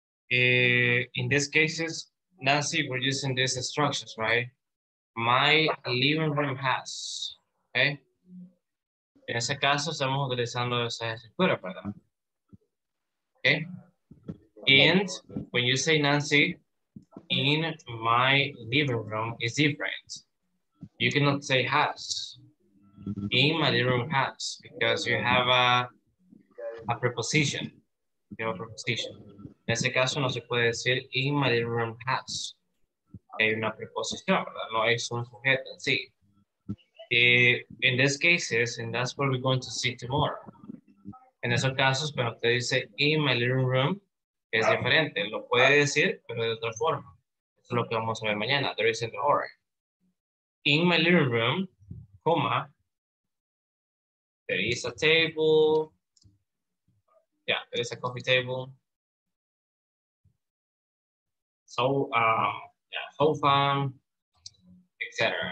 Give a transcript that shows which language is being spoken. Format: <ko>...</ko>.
<en>In these cases, Nancy, we're using these structures, right? My living room has, okay?</en> <es>En ese caso, estamos utilizando esa estructura, ¿verdad?</es> <en>Okay? And when you say, Nancy, in my living room is different. You cannot say has. In my living room has, because you have a preposition. You have a preposition.</en> <es>En ese caso, no se puede decir,</es> <en>in my living room has.</en> <es>Hay una preposición, ¿verdad? No es un sujeto en sí.</es> <en>In these cases, and that's what we're going to see tomorrow.</en> <es>En esos casos, cuando usted dice</es> <en>in my living room,</en> <es>es diferente. Lo puede decir, pero de otra forma. Eso es lo que vamos a ver mañana.</es> <en>There is an or. In my living room, comma, there is a table. Yeah, there is a coffee table. So, sofa, etc.</en>